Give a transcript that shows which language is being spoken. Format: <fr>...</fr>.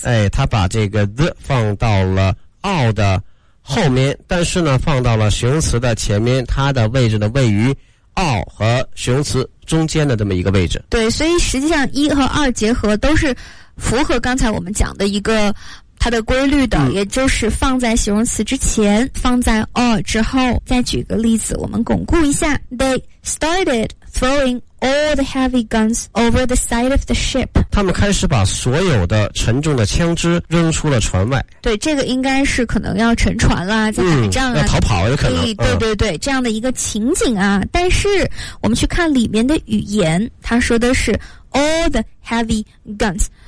<zh>哎，他把这个 the 放到了 all 的后面，但是呢，放到了形容词的前面，它的位置呢位于all 和形容词中间的这么一个位置。对，所以实际上一和二结合都是符合刚才我们讲的一个它的规律的、嗯、也就是放在形容词之前放在 all 之后。再举个例子我们巩固一下。</zh> <en>They started throwing all the heavy guns over the side of the ship.</en> <zh>他们开始把所有的沉重的枪支扔出了船外。对，这个应该是可能要沉船啦，在打仗啊、嗯、要逃跑有可能。对对对、这样的一个情景啊。但是我们去看里面的语言，他说的是</zh> <en>all the heavy guns。</en>